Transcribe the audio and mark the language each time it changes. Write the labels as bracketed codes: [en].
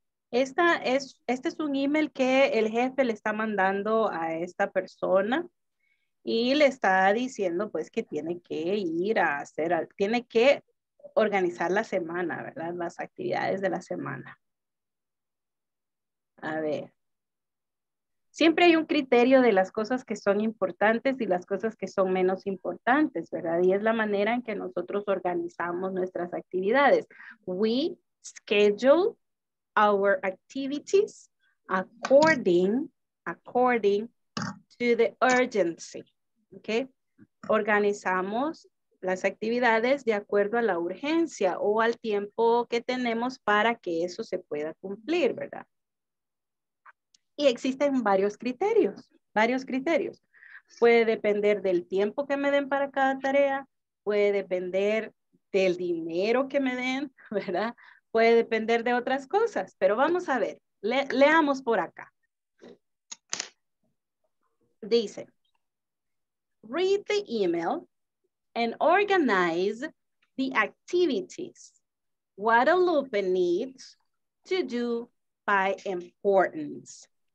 [es] Este es un email que el jefe le está mandando a esta persona y le está diciendo pues que tiene que ir a hacer, tiene que organizar la semana, ¿verdad? Las actividades de la semana. A ver. Siempre hay un criterio de las cosas que son importantes y las cosas que son menos importantes, ¿verdad? Y es la manera en que nosotros organizamos nuestras actividades. [en] We schedule our activities according to the urgency, okay? [es] Organizamos las actividades de acuerdo a la urgencia o al tiempo que tenemos para que eso se pueda cumplir, ¿verdad? Y existen varios criterios. Puede depender del tiempo que me den para cada tarea, puede depender del dinero que me den, ¿verdad? Puede depender de otras cosas, pero vamos a ver. Leamos por acá. [en] Dice, read the email and organize the activities Guadalupe needs to do by importance.